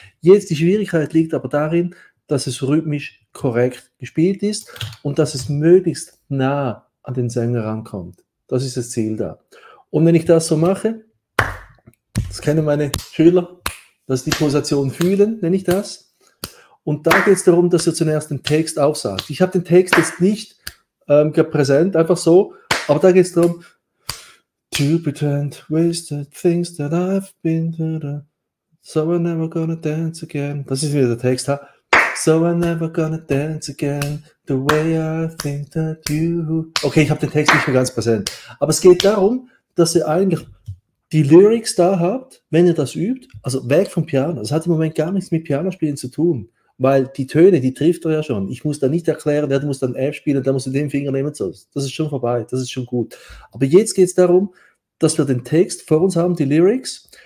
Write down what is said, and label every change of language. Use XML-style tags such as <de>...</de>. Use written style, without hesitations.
<de>Jetzt die Schwierigkeit liegt aber darin, dass es rhythmisch korrekt gespielt ist und dass es möglichst nah an den Sänger rankommt. Das ist das Ziel da. Und wenn ich das so mache, das kennen meine Schüler, dass die Pulsation fühlen, nenne ich das. Und da geht es darum, dass ihr zunerst den Text aufsagt. Ich habe den Text jetzt nicht präsent, einfach so, aber da geht es darum.</de> <en>To pretend wasted things that I've been through, so I'm never gonna dance again.</en> <de>Das ist wieder der Text.</de> <en>Ha? So I'm never gonna dance again, the way I think that you...</en> <de>Okay, ich habe den Text nicht mehr ganz präsent. Aber es geht darum, dass ihr eigentlich die Lyrics da habt, wenn ihr das übt, also weg vom Piano. Das hat im Moment gar nichts mit Pianospielen zu tun, weil die Töne, die trifft er ja schon. Ich muss da nicht erklären, der muss dann F spielen, der muss den Finger nehmen und so. Das ist schon vorbei, das ist schon gut. Aber jetzt geht es darum, dass wir den Text vor uns haben, die Lyrics.</de>